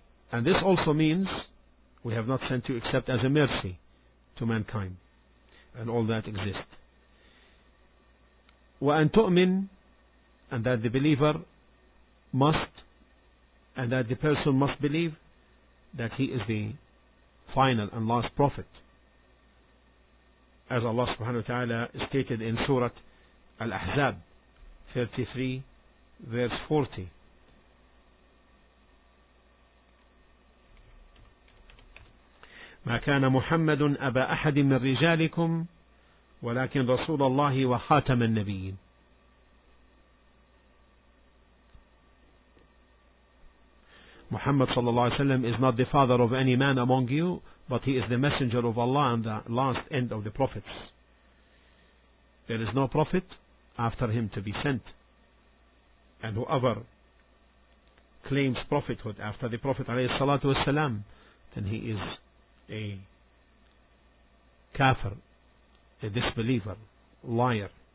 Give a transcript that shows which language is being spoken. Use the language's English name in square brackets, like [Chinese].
[English] And this also means, we have not sent you except as a mercy to mankind, and all that exists. [Arabic] وَأَن تُؤْمِن, [English] and that the believer must, and that the person must believe, that he is the final and last prophet. As Allah subhanahu wa ta'ala stated in Surah Al-Ahzab 33 verse 40, [Arabic] ما كان محمد أبا أحد من رجالكم ولكن رسول الله وخاتم النبيين. [English] Muhammad sallallahu alayhi wa sallam is not the father of any man among you, but he is the Messenger of Allah and the last end of the prophets. There is no prophet after him to be sent. And whoever claims prophethood after the Prophet alayhi salatu wa sallam, then he is a kafir, a disbeliever, liar.